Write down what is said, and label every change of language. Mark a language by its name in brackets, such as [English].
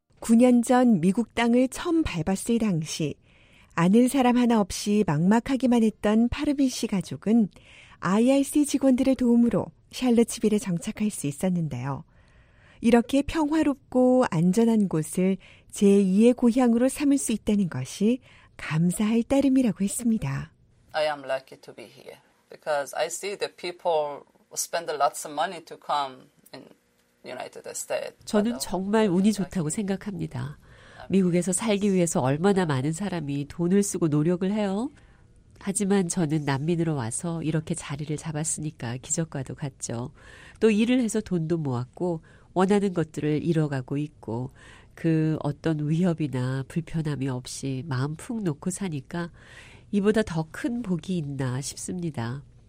[Korean] 9년 전 미국 땅을 처음 밟았을 당시 아는 사람 하나 없이 막막하기만 했던 파르빈 씨 가족은 IRC 직원들의 도움으로 샬럿츠빌에 정착할 수 있었는데요. 이렇게 평화롭고 안전한 곳을 제2의 고향으로 삼을 수 있다는 것이 감사할 따름이라고 했습니다. [English] I am lucky to be here because I see the people spend lots of money to come in United States. [Korean] 저는 정말 운이 좋다고 생각합니다. 미국에서 살기 위해서 얼마나 많은 사람이 돈을 쓰고 노력을 해요. 하지만 저는 난민으로 와서 이렇게 자리를 잡았으니까 기적과도 같죠. 또 일을 해서 돈도 모았고 원하는 것들을 이뤄가고 있고 그 어떤 위협이나 불편함이 없이 마음 푹 놓고 사니까 이보다 더 큰 복이 있나 싶습니다.